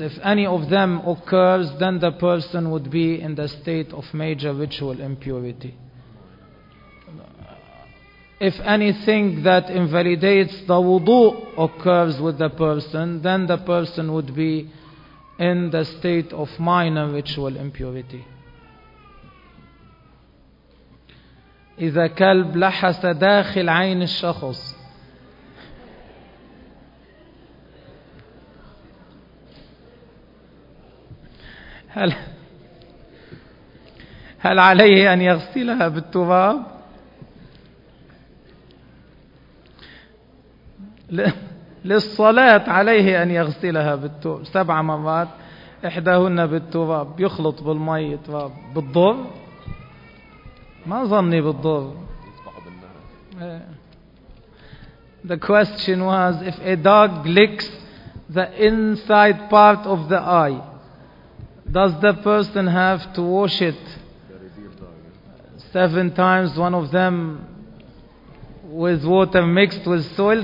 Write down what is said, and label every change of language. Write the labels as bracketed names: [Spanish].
[English] If any of them occurs, then the person would be in the state of major ritual impurity. If anything that invalidates the wudu occurs with the person, then the person would be in the state of minor ritual impurity. [Arabic] إذا كلب لحس داخل عين الشخص. هل عليه أن يغسلها بالتراب؟ للصلاة عليه أن يغسلها بالتراب 7 مرات، إحداهن بالتراب، يخلط بالماء تراب، بالضر؟ ما ظني بالضر. [English] The question was, if a dog licks the inside part of the eye, does the person have to wash it 7 times, one of them with water mixed with soil?